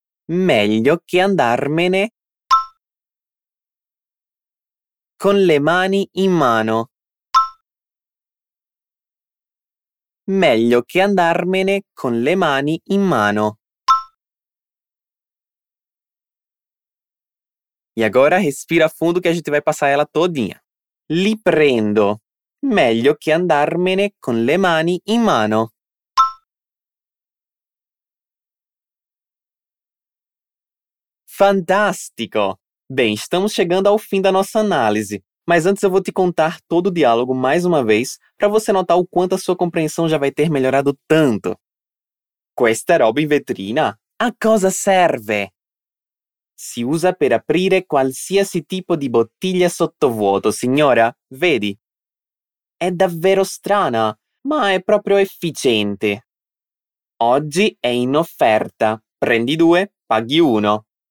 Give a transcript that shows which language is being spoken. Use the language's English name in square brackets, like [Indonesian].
[Italian] Meglio che andarmene con le mani in mano. Meglio che andarmene con le mani in mano. [Portuguese] E agora respira fundo che a gente vai passare ela todinha. [Italian] Li prendo. Meglio che andarmene con le mani in mano. [Portuguese] Fantástico! Bem, estamos chegando ao fim da nossa análise. Mas antes eu vou te contar todo o diálogo mais uma vez para você notar o quanto a sua compreensão já vai ter melhorado tanto. [Italian] Questa roba in vetrina? A cosa serve? Si usa per aprire qualsiasi tipo di bottiglia sottovuoto, signora. Vedi? È davvero strana, ma è proprio efficiente. Oggi è in offerta. Prendi due, paghi uno.